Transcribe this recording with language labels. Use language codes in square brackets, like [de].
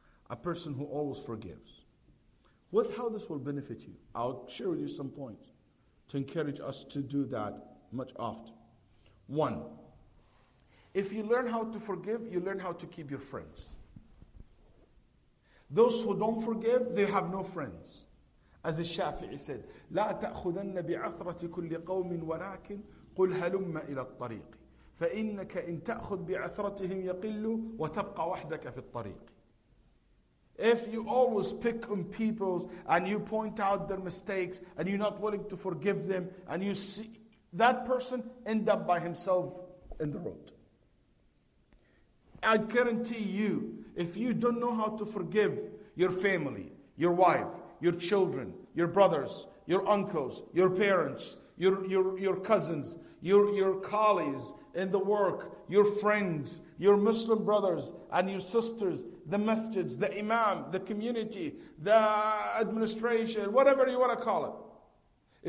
[en] A person who always forgives? How this will benefit you? I'll share with you some points to encourage us to do that much often. One, if you learn how to forgive, you learn how to keep your friends. Those who don't forgive, they have no friends. As the Shafi'i said, [ar] لا تأخذن بعثرة كل قوم ولكن قل هلم إلى الطريق فإنك إن تأخذ بعثرتهم يقل وتبقى وحدك في الطريق. [en] If you always pick on people and you point out their mistakes and you're not willing to forgive them and you see that person end up by himself in the road. I guarantee you, if you don't know how to forgive your family, your wife, your children, your brothers, your uncles, your parents, your cousins, your colleagues in the work, your friends, your Muslim brothers and your sisters, the masjids, the imam, the community, the administration, whatever you want to call it.